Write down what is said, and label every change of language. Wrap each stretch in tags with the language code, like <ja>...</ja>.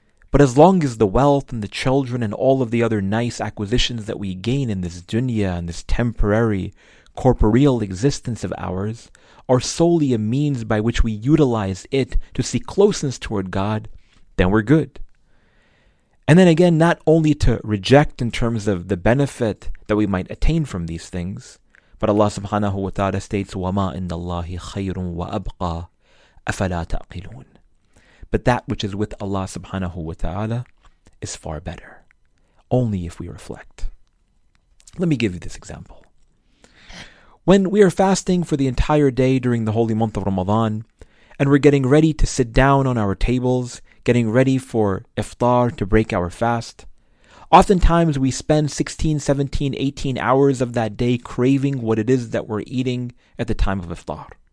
<en>But as long as the wealth and the children and all of the other nice acquisitions that we gain in this dunya and this temporary corporeal existence of ours are solely a means by which we utilize it to seek closeness toward God, then we're good. And then again, not only to reject in terms of the benefit that we might attain from these things, But Allah subhanahu wa ta'ala states,</en> <ar>وَمَا إِنَّ اللَّهِ خَيْرٌ وَأَبْقَى أَفَلَا تَأْقِلُونَ.</ar> <en>But that which is with Allah subhanahu wa ta'ala is far better. Only if we reflect. Let me give you this example. When we are fasting for the entire day during the holy month of Ramadan, and we're getting ready to sit down on our tables, getting ready for iftar to break our fast, oftentimes we spend 16, 17, 18 hours of that day craving what it is that we're eating at the time of iftar.</en>